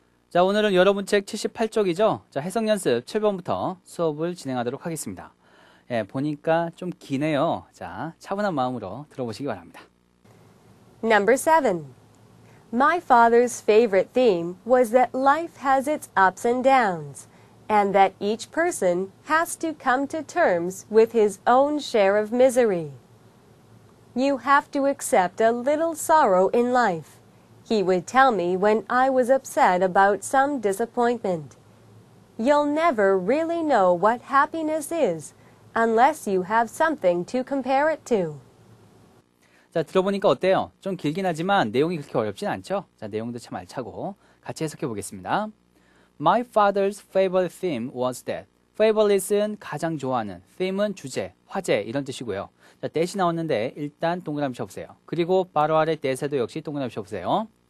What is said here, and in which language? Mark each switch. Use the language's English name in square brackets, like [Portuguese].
[Korean] 자, 오늘은 여러분 책 78쪽이죠? 자, 해석 연습 7번부터 수업을 진행하도록 하겠습니다. 예, 보니까 좀 기네요. 자, 차분한 마음으로 들어보시기 바랍니다. [English] Number 7. My father's favorite theme was that life has its ups and downs, and that each person has to come to terms with his own share of misery. You have to accept a little sorrow in life, he would tell me when I was upset about some disappointment. You'll never really know what happiness is unless you have something to compare it to. [Korean] 자, 들어보니까 어때요? 좀 길긴 하지만 내용이 그렇게 어렵진 않죠? 자, 내용도 참 알차고 같이 해석해 보겠습니다. [English] My father's favorite theme was that. [Korean] favorite은 가장 좋아하는, theme은 주제, 화제 이런 뜻이고요. 자, that이 나왔는데 일단 동그라미 쳐보세요. 그리고 바로 아래 that에도 역시 동그라미 쳐보세요.